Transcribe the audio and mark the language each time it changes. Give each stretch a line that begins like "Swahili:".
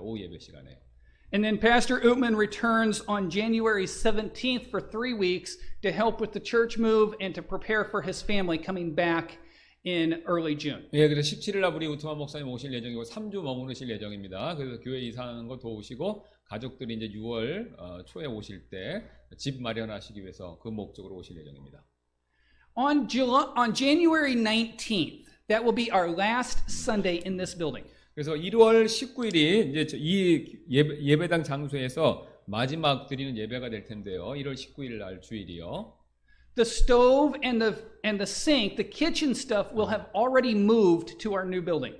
Korean: 오후 예배 시간에.
English: And then Pastor Uman returns on January 17th for 3 weeks to help with the church move and to prepare for his family coming back in early June.
Korean: 예, 그래서 17일 날 우리 우투만 목사님 오실 예정이고 3주 머무르실 예정입니다. 그래서 교회 이사하는 거 도우시고 가족들이 이제 6월 초에 오실 때 집 마련하시기 위해서 그 목적으로 오실 예정입니다.
English: On January 19th, that will be our last Sunday in this building.
Korean: 그래서 1월 19일이 이제 이 예배당 장소에서 마지막 드리는 예배가 될 텐데요. 1월 19일 날 주일이요.
English: The stove and the sink, the kitchen stuff will have already moved to our new building.